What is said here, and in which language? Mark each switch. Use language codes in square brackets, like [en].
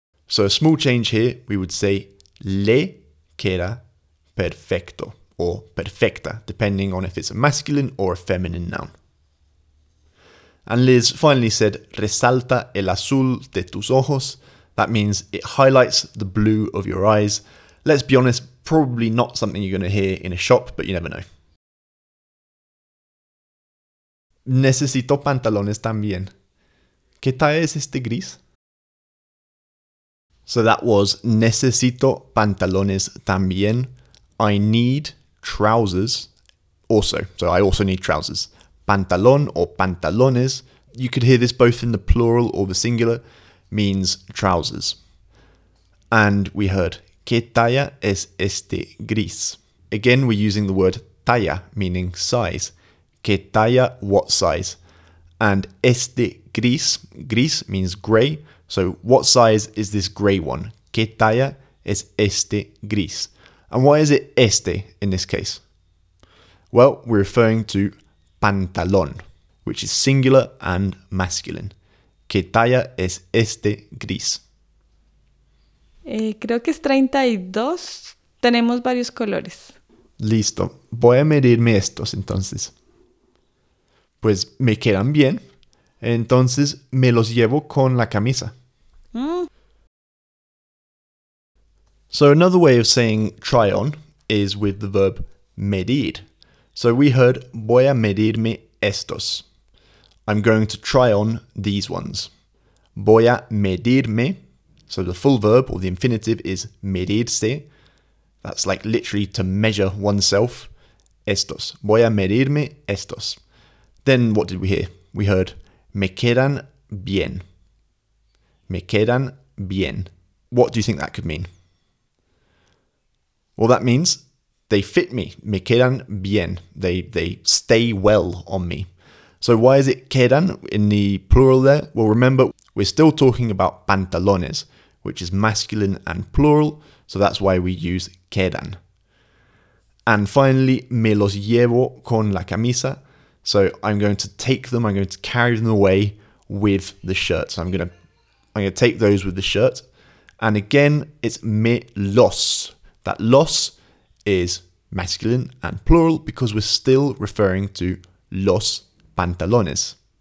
[en] So a small change here, we would say [es] le queda perfecto [en] or perfecta, depending on if it's a masculine or a feminine noun. And Liz finally said, [es] resalta el azul de tus ojos. [en] That means it highlights the blue of your eyes. Let's be honest, probably not something you're going to hear in a shop, but you never know. [es] Necesito pantalones también. ¿Qué talla es este gris? [en] So that was [es] necesito pantalones también. [en] I need trousers also. So I also need trousers. [es] Pantalón or pantalones. [en] You could hear this both in the plural or the singular. Means trousers. And we heard [es] ¿qué talla es este gris? [en] Again, we're using the word talla, meaning size. [es] ¿Qué talla? [en] What size? And [es] este gris. [en] Gris means grey. So what size is this grey one? [es] ¿Qué talla es este gris? [en] And why is it este in this case? Well, we're referring to pantalón, which is singular and masculine. [es] ¿Qué talla es este gris? Creo que es 32. Tenemos varios colores. Listo. Voy a medirme estos entonces. Pues me quedan bien. Entonces me los llevo con la camisa. Mm. [en] So another way of saying try on is with the verb medir. So we heard [es] voy a medirme estos. [en] I'm going to try on these ones. [es] Voy a medirme. [en] So the full verb or the infinitive is medirse. That's like literally to measure oneself. [es] Estos. Voy a medirme estos. [en] Then what did we hear? We heard [es] me quedan bien. Me quedan bien. [en] What do you think that could mean? Well, that means they fit me. [es] Me quedan bien. [en] They stay well on me. So why is it quedan in the plural there? Well, remember, we're still talking about pantalones, which is masculine and plural. So that's why we use quedan. And finally, [es] me los llevo con la camisa. [en] So I'm going to take them. I'm going to carry them away with the shirt. So I'm going to take those with the shirt. And again, it's me los. That los is masculine and plural because we're still referring to [es] los pantalones.